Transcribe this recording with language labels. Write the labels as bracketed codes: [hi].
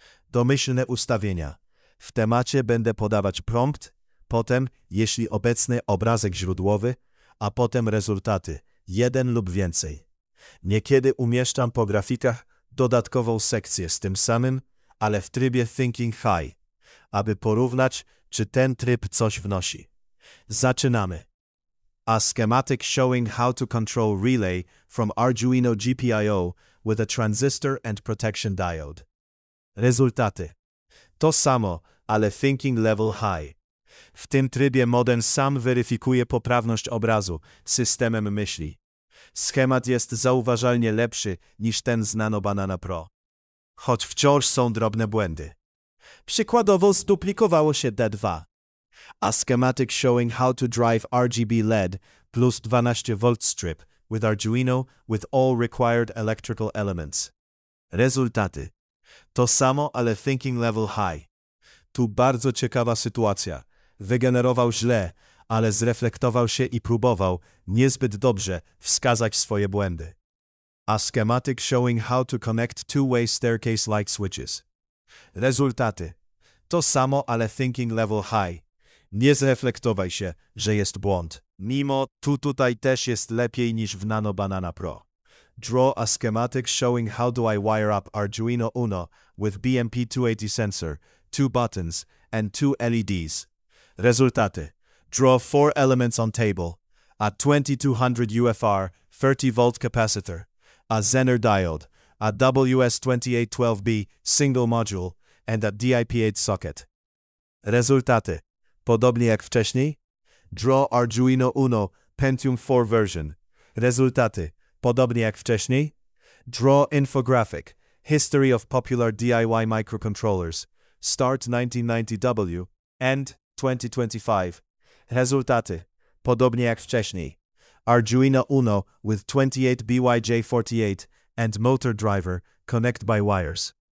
[pl] Domyślne ustawienia. W temacie będę podawać prompt, potem, jeśli obecny, obrazek źródłowy, a potem rezultaty, jeden lub więcej. Niekiedy umieszczam po grafikach dodatkową sekcję z tym samym, ale w trybie Thinking High, aby porównać, czy ten tryb coś wnosi. Zaczynamy. [en] A schematic showing how to control relay from Arduino GPIO with a transistor and protection diode. [pl] Rezultaty. To samo, ale [en] thinking level high. [pl] W tym trybie model sam weryfikuje poprawność obrazu systemem myśli. Schemat jest zauważalnie lepszy niż ten z Nano Banana Pro. Choć wciąż są drobne błędy. Przykładowo zduplikowało się D2. [en] A schematic showing how to drive RGB LED plus 12V strip with Arduino with all required electrical elements. [pl] Rezultaty. To samo, ale [en] thinking level high. [pl] Tu bardzo ciekawa sytuacja. Wygenerował źle, ale zreflektował się i próbował, niezbyt dobrze, wskazać swoje błędy. [en] A schematic showing how to connect two-way staircase-like switches. [pl] Rezultaty. To samo, ale [en] thinking level high. [pl] Nie zreflektowaj się, że jest błąd. Mimo, tutaj też jest lepiej niż w Nano Banana Pro. [en] Draw a schematic showing how do I wire up Arduino Uno with BMP280 sensor, two buttons and two LEDs. [pl] Rezultaty. [en] Draw four elements on table, a 2200 UFR 30V capacitor, a Zener diode, a WS2812B single module and a DIP8 socket. Rezultaty. [pl] Podobnie jak wcześniej? [en] Draw Arduino Uno Pentium 4 version. [pl] Rezultaty. Podobnie jak wcześniej? [en] Draw infographic, history of popular DIY microcontrollers, start 1990W, end 2025. [pl] Rezultaty. Podobnie jak wcześniej. [en] Arduino Uno with 28 BYJ48 and motor driver connect by wires.